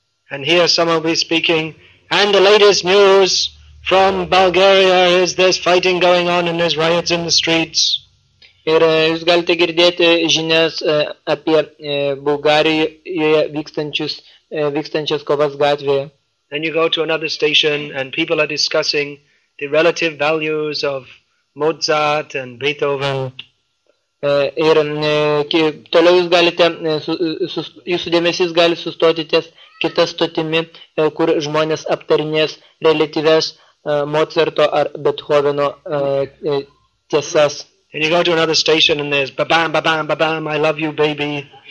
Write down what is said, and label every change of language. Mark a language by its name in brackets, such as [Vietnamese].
[English] And here some of you speaking, and the latest news from Bulgaria is there's fighting going on and there's riots in the streets. [Lithuanian] Ir jūs galite girdėti žinias apie Bulgarijoje vykstančias kovas gatvėje. [English] Then you go to another station and people are discussing the relative values of Mozart and Beethoven. [Lithuanian] Ir toliau jūs galite, jūsų dėmesys gali sustoti ties kitas stotimi, kur žmonės aptarinės relatyves Mozarto ar Beethoveno tiesas. [English] And you go to another station and there's ba-bam, ba-bam, ba-bam, I love you, baby.